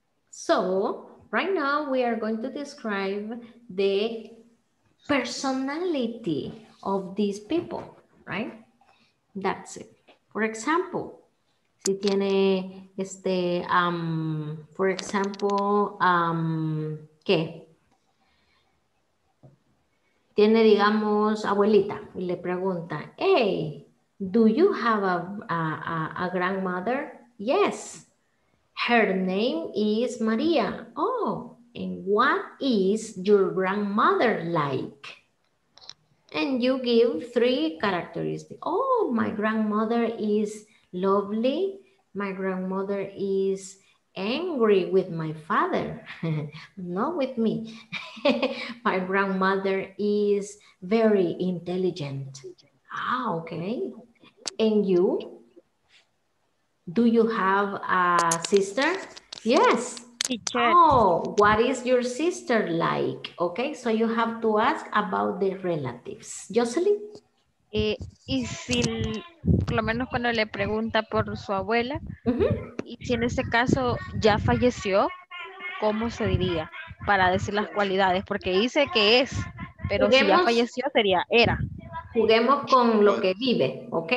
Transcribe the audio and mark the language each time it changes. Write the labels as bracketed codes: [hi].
[en] So, right now we are going to describe the personality of these people. Right? That's it. For example, [es] si tiene este, [en] for example, [es] ¿qué? Tiene, digamos, abuelita, y le pregunta, hey, [en] do you have a grandmother? Yes, her name is Maria. Oh, and what is your grandmother like? And you give three characteristics. Oh, my grandmother is lovely. My grandmother is angry with my father, not with me. My grandmother is very intelligent. Ah, okay. And you? Do you have a sister? Yes. Teacher. Oh, what is your sister like? Okay, so you have to ask about the relatives. Jocelyn? [es] Y si, por lo menos cuando le pregunta por su abuela, uh-huh. y si en ese caso ya falleció, ¿cómo se diría? Para decir las cualidades, porque dice que es, pero juguemos, si ya falleció sería era. Juguemos con lo que vive, ¿ok?